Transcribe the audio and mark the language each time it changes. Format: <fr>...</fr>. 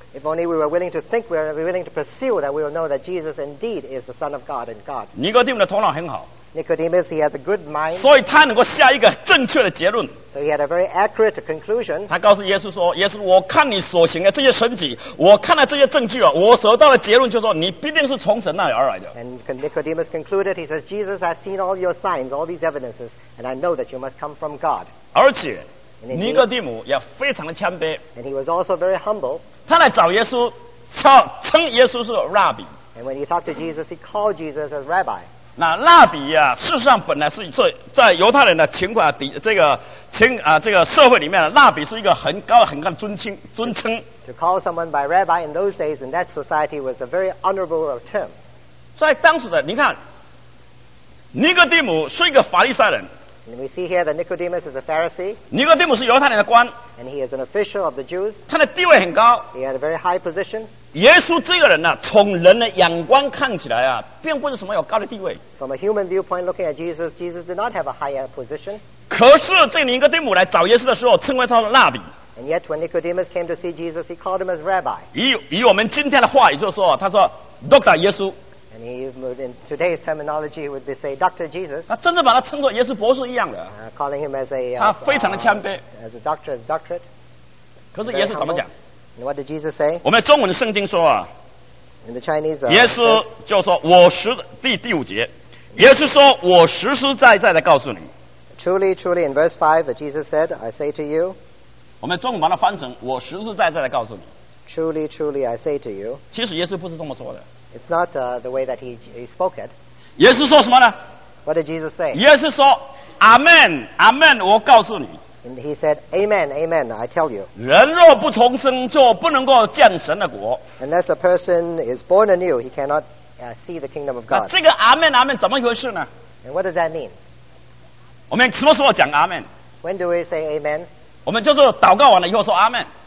<en>If only we were willing to think, we were willing to pursue that, we will know that Jesus indeed is the Son of God and God.</en> <zh>尼哥底母的头脑很好。</zh> <en>Nicodemus, he has a good mind.</en> <zh>所以他能够下一个正确的结论。</zh> <en>So he had a very accurate conclusion.</en> <zh>他告诉耶稣说：“耶稣，我看你所行的这些神迹，我看了这些证据啊，我得到的结论就是说，你必定是从神那里而来的。”</zh> <en>And Nicodemus concluded, he says, "Jesus, I've seen all your signs, all these evidences, and I know that you must come from God."</en> <zh>而且尼哥底母也非常的谦卑。</zh> <en>And he was also very humble.</en> <zh>他来找耶稣，称耶稣是 Rabbi。</zh> <en>And when he talked to Jesus, he called Jesus as Rabbi.</en> <zh>那拉比啊，事实上本来是在犹太人的情况底这个情啊这个社会里面，拉比是一个很高很高的尊称。</zh> <en>To call someone by Rabbi in those days in that society was a very honorable term.</en> <zh>在当时的，你看，尼哥底母是一个法利赛人。</zh> <en>And we see here that Nicodemus is a Pharisee.</en> <zh>尼哥底母是犹太人的官。</zh> <en>And he is an official of the Jews.</en> <zh>他的地位很高。</zh> <en>He had a very high position.</en> <zh>耶稣这个人呢、啊，从人的眼光看起来啊，并不是什么有高的地位。</zh> <en>From a human viewpoint, looking at Jesus, Jesus did not have a higher position.</en> <zh>可是这尼哥底母来找耶稣的时候，称为他的拉比。</zh> <en>And yet, when Nicodemus came to see Jesus, he called him as Rabbi.</en> <zh>以我们今天的话，也就是说，他说 Doctor 耶稣。</zh> <en>And he moved in today's terminology, he would be say Dr. Jesus.</en> <zh>他真的把他称作耶稣博士一样的。</zh> <en>Calling him as a</en> <zh>他非常的谦卑。</zh> <en>As a doctor, as a doctorate.</en> <zh>可是耶稣怎么讲？</zh> <en>And what did Jesus say?</en> <zh>我们中文的圣经说啊。</zh> <en>In the Chinese,</en> <zh>耶稣就说：“我实第五节，耶稣说我实实在在的告诉你。”</zh> <en>Truly, truly, in verse 5, Jesus said, "I say to you."</en> <zh>我们中文把它翻成：“我实实在在的告诉你。”</zh> <en>Truly, truly, I say to you.</en> <zh>其实耶稣不是这么说的。</zh> <en>It's not the way that he spoke it.</en> <zh>耶稣说什么呢？</zh> <en>What did Jesus say?</en> <zh>耶稣说 Amen, Amen, 我告诉你。</zh> <en>And he said, Amen, Amen, I tell you.</en> <zh>人若不重生，就不能够见神的国。</zh> <en>And as a person is born anew, he cannot see the kingdom of God.</en> <zh>这个 Amen, Amen 怎么回事呢？</zh> <en>And what does that mean?</en> <zh>我们什么时候讲 Amen?</zh> <en>When do we say Amen?</en> <zh>我们就是祷告完了以后说 Amen.</zh>